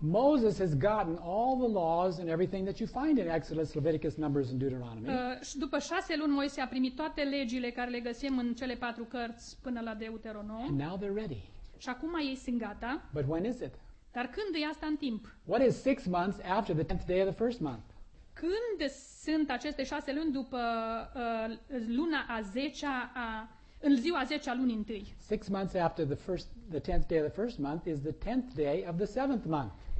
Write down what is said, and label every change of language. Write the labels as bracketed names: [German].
[English] Moses has gotten all the laws and everything that you find in Exodus, Leviticus, Numbers, and Deuteronomy. [Romanian] După 6 luni, Moise a primit toate legile care le găsim în cele 4 cărți până la Deuteronom. [English] And now they're ready. [Romanian] Și acum ei sunt gata. [English] But when is it? [Romanian] Dar când e asta în timp? [English] What is 6 months after the 10th day of the first month? [Romanian] Când sunt aceste 6 luni după luna a 10-a a în ziua 10-a lunii întâi. [English] 6 months after the 10th day of the first month is the 10th day of the 7th month.